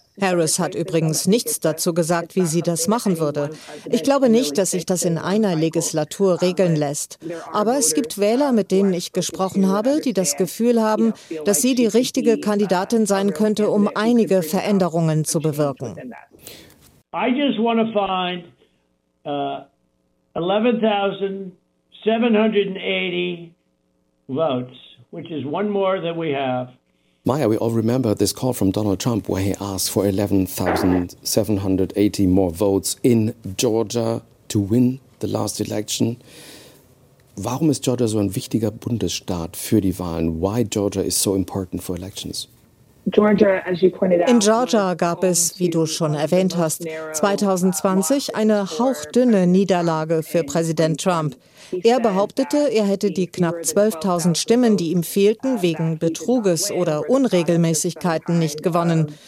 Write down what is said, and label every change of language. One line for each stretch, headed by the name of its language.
German: Harris hat übrigens nichts dazu gesagt, wie sie das machen würde. Ich glaube nicht, dass sich das in einer Legislatur regeln lässt. Aber es gibt Wähler, mit denen ich gesprochen habe, die das Gefühl haben, dass sie die richtige Kandidatin sein könnte, um einige Veränderungen zu bewirken.
English: I just want to find 11,780 votes, which is one more than we have. Maya, we all remember this call from Donald Trump where he asked for 11,780 more votes in Georgia to win the last election.
German: Warum ist Georgia so ein wichtiger Bundesstaat für die Wahlen?
English: Why Georgia is so important for elections?
German: In Georgia gab es, wie du schon erwähnt hast, 2020 eine hauchdünne Niederlage für Präsident Trump. Er behauptete, er hätte die knapp 12.000 Stimmen, die ihm fehlten, wegen Betruges oder Unregelmäßigkeiten nicht gewonnen.